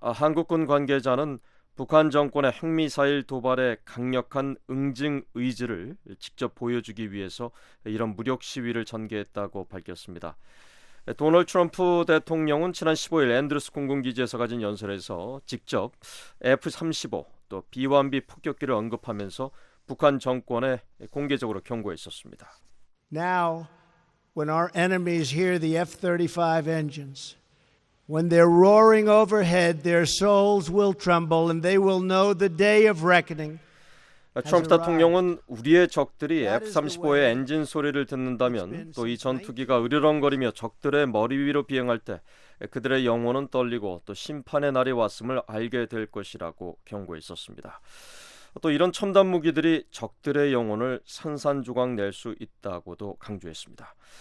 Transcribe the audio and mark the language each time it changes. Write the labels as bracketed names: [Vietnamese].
[Korean] 한국군 관계자는 북한 정권의 핵미사일 도발에 강력한 응징 의지를 직접 보여주기 위해서 이런 무력 시위를 전개했다고 밝혔습니다. 도널드 트럼프 대통령은 지난 15일 앤드루스 공군기지에서 가진 연설에서 직접 F-35 또 B-1B 폭격기를 언급하면서 북한 정권에 공개적으로 경고했었습니다. [English] Now, when our enemies hear the F-35 engines, when they're roaring overhead, their souls will tremble and they will know the day of reckoning. [Korean] 트럼프 대통령은 우리의 적들이 F-35의 엔진 소리를 듣는다면 또 이 전투기가 으르렁거리며 적들의 머리 위로 비행할 때 그들의 영혼은 떨리고 또 심판의 날이 왔음을 알게 될 것이라고 경고했었습니다. 또 이런 첨단 무기들이 적들의 영혼을 산산조각 낼 수 있다고도 강조했습니다.